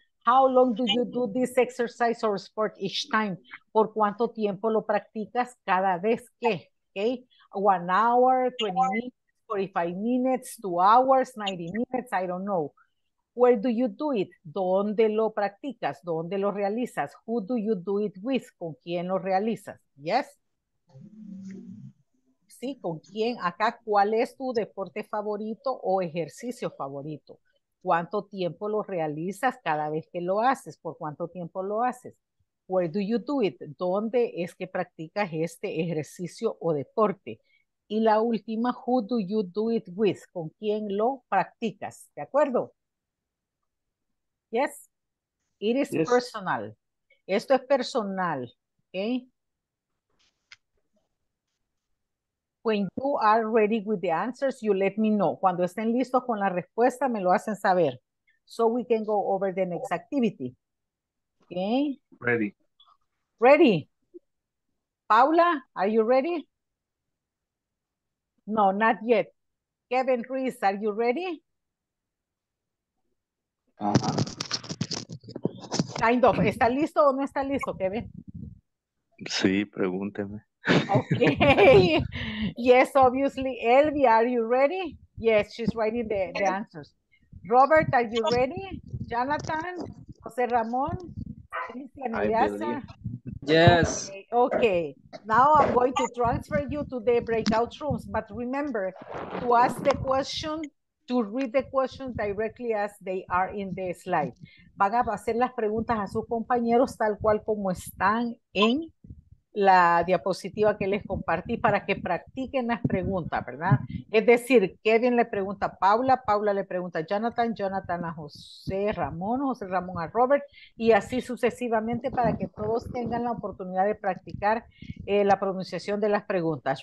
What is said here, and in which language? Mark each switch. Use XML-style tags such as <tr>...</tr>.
<en>How long do you do this exercise or sport each time?</en> <es>¿Por cuánto tiempo lo practicas cada vez que?</es> <en>Okay. 1 hour, 20 minutes, 45 minutes, 2 hours, 90 minutes, I don't know. Where do you do it?</en> <es>¿Dónde lo practicas? ¿Dónde lo realizas?</es> <en>Who do you do it with?</en> <es>¿Con quién lo realizas?</es> <en>Yes.</en> <es>Sí, ¿con quién? Acá, ¿cuál es tu deporte favorito o ejercicio favorito? ¿Cuánto tiempo lo realizas cada vez que lo haces? ¿Por cuánto tiempo lo haces?</es> <en>Where do you do it?</en> <es>¿Dónde es que practicas este ejercicio o deporte? Y la última,</es> <en>who do you do it with?</en> <es>¿Con quién lo practicas? ¿De acuerdo?</es> <en>Yes. It is yes. Personal.</en> <es>Esto es personal. Okay.</es> <en>When you are ready with the answers, you let me know.</en> <es>Cuando estén listos con la respuesta, me lo hacen saber.</es> <en>So we can go over the next activity. Okay. Ready. Ready. Paula, are you ready? No, not yet. Kevin Ruiz, are you ready? Kind of.</en> <es>¿Está listo o no está listo, Kevin? Sí, pregúnteme.</es> <en>Okay. Yes, obviously. Elvi, are you ready? Yes, she's writing the answers. Robert, are you ready? Jonathan, Jose Ramon, Cristian Ariasa. Yes. Okay. Now I'm going to transfer you to the breakout rooms. But remember to ask the question, to read the questions directly as they are in the slide.</en> <es>Van a hacer las preguntas a sus compañeros tal cual como están en la diapositiva que les compartí para que practiquen las preguntas, ¿verdad? Es decir, Kevin le pregunta a Paula, Paula le pregunta a Jonathan, Jonathan a José Ramón a Robert, y así sucesivamente para que todos tengan la oportunidad de practicar la pronunciación de las preguntas.</es>